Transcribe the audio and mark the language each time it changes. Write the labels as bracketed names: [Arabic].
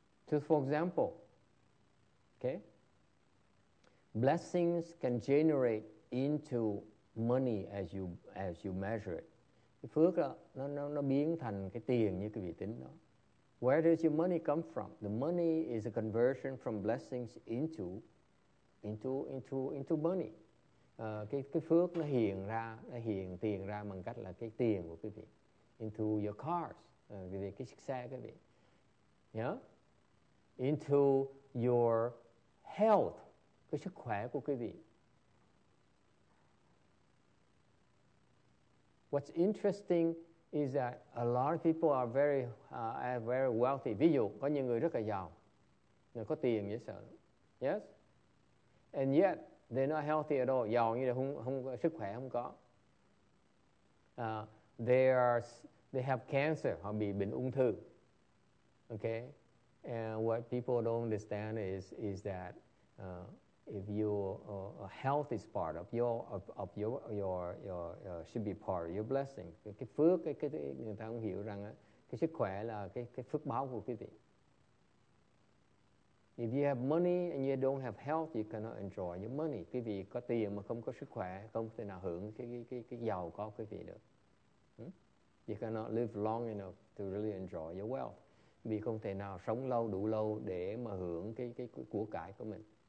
[English] So for example, okay, blessings can generate into money as you measure it. [Vietnamese] Cái phước đó nó biến thành cái tiền như cái vị tính đó. [English] Where does your money come from? The money is a conversion from blessings into money. [Vietnamese] Cái phước nó hiện tiền ra bằng cách là cái tiền của quý vị. [English] Into your cars, [Vietnamese] cái chiếc xe quý vị. [English] Yeah? Into your health, [Vietnamese] cái sức khỏe của quý vị. [English] What's interesting is that a lot of people are very wealthy. [Vietnamese] Ví dụ, có nhiều người rất là giàu, người có tiền dễ sợ. [English] Yes? And yet, they're not healthy at all. [Vietnamese] Giàu như là không sức khỏe không có. [English] They have cancer, [Vietnamese] họ bị bệnh ung thư. Okay? [English] And what people don't understand is that if your health is part of your should be part of your blessing. [Vietnamese] Cái phước cái người ta không hiểu rằng cái sức khỏe là cái phước báo của quý vị. [English] If you have money and you don't have health, you cannot enjoy your money. [Vietnamese] Quý vị có tiền mà không có sức khỏe, không thể nào hưởng cái giàu có quý vị được. [English] You cannot live long enough to really enjoy your wealth. [Vietnamese] Vì không thể nào sống lâu đủ lâu để mà hưởng cái của cải của mình.